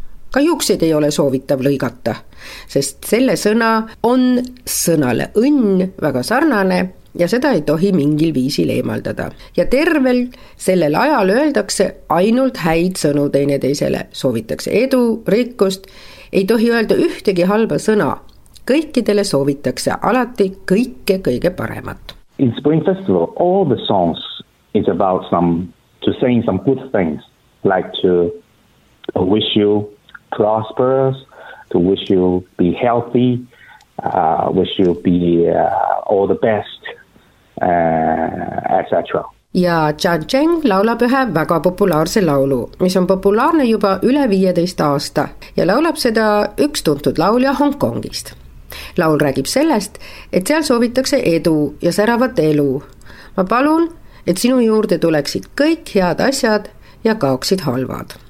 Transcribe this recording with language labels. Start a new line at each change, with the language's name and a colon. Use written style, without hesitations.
Estonian: Ka juksed ei ole soovitav lõigata, sest selle sõna on sõnale õnn väga sarnane, ja seda ei tohi mingil viisil eemaldada. Ja tervel sellel ajal öeldakse ainult häid sõnu teine teisele. Soovitakse edu, rikkust ei tohi öelda ühtegi halba sõna. Kõikidele soovitakse alati kõike kõige paremat.
English: In Spring Festival, all the songs is about some to saying some good things, like to wish you prosperous, to wish you be healthy, wish you be all the best, etc.
Estonian: Ja Chan Cheng laulab ühe väga populaarse laulu, mis on populaarne juba üle 15 aasta ja laulab seda üks tuntud laulja Hongkongist. Laul räägib sellest, et seal soovitakse edu ja säravat elu. Ma palun, et sinu juurde tuleksid kõik head asjad ja kaoksid halvad.